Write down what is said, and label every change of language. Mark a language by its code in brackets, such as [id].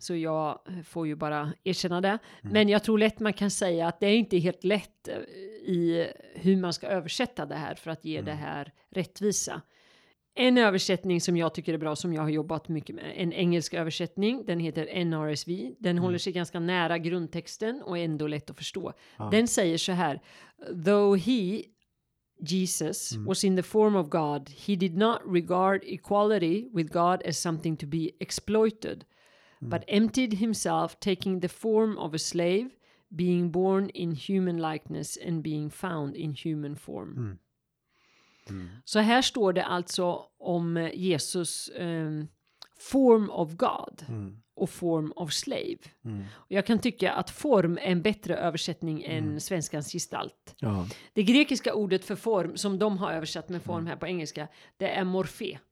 [sv] Så jag får ju bara erkänna det. Mm. Men jag tror lätt man kan säga att det är inte helt lätt i hur man ska översätta det här för att ge det här rättvisa. En översättning som jag tycker är bra, som jag har jobbat mycket med, en engelsk översättning, den heter NRSV. Den håller sig ganska nära grundtexten och är ändå lätt att förstå. Ah. Den säger så här: [en] though he, Jesus, was in the form of God, he did not regard equality with God as something to be exploited, but emptied himself, taking the form of a slave, being born in human likeness and being found in human form. [sv] Mm. Så här står det alltså om Jesus [en] form of God [sv] och [en] form of slave. [sv] Mm. Och jag kan tycka att form är en bättre översättning än svenskans gestalt. Ja. Det grekiska ordet för form som de har översatt med form här på engelska, det är morfé.